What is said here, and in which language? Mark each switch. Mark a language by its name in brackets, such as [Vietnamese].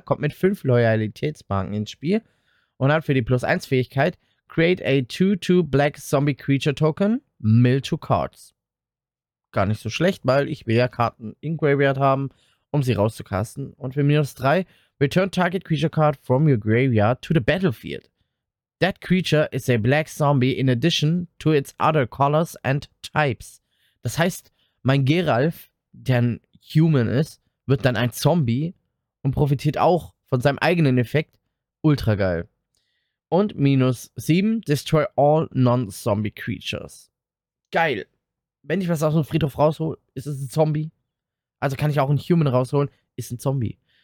[German] Kommt mit 5 Loyalitätsmarken ins Spiel. Und hat für die +1-Fähigkeit [English] Create a 2-2 Black Zombie Creature Token. Mill 2 Cards. [German] Gar nicht so schlecht, weil ich will ja Karten in Graveyard haben, um sie rauszukasten. Und für -3, [English] return target creature card from your graveyard to the battlefield. That creature is a black zombie in addition to its other colors and types. [German] Das heißt, mein Geralf, der ein Human ist, wird dann ein Zombie und profitiert auch von seinem eigenen Effekt. Ultra geil. Und -7, [English] destroy all non-zombie creatures. [German] Geil. Wenn ich was aus dem Friedhof raushole, ist es ein Zombie. Also kann ich auch einen Human rausholen, ist ein Zombie.